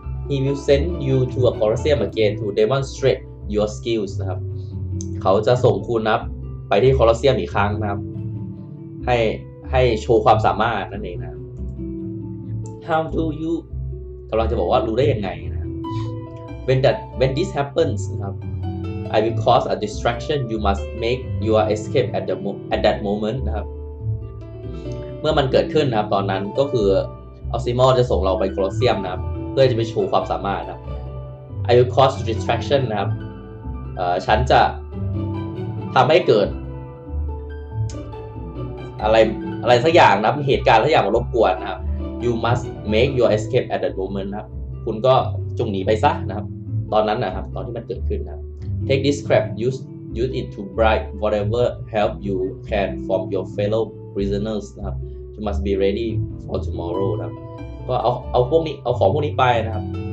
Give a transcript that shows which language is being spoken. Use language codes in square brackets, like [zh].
[en] He will send you to a Colosseum again to demonstrate your skills [th] นะครับเขาจะส่งคุณนะไปที่ Colosseum อีกครั้งนะครับให้โชว์ความสามารถนั่นเองนะ [en] How do you [th] กำลังจะบอกว่ารู้ได้ยังไงนะ [en] When this happens [th] นะครับ [en] I will cause a distraction. You must make your escape at that moment. [th] นะครับเมื่อมันเกิดขึ้นนะครับตอนนั้นก็คือออซิโมจะส่งเราไปโคลอสเซียมนะครับเพื่อจะไปโชว์ความสามารถนะ [en] I will cause distraction [th] นะครับฉันจะทำให้เกิดอะไรสักอย่างนะเหตุการณ์สักอย่างมารบกวนนะครับ [en] You must make your escape at the moment [th] นะครับคุณก็จงหนีไปซะนะครับตอนนั้นนะครับตอนที่มันเกิดขึ้นนะครับ [en] Take this crap use it to bribe whatever help you can from your fellow prisoners นะครับ You must be ready for tomorrow [th] นะครับก็เอาของพวกนี้ไปนะครับ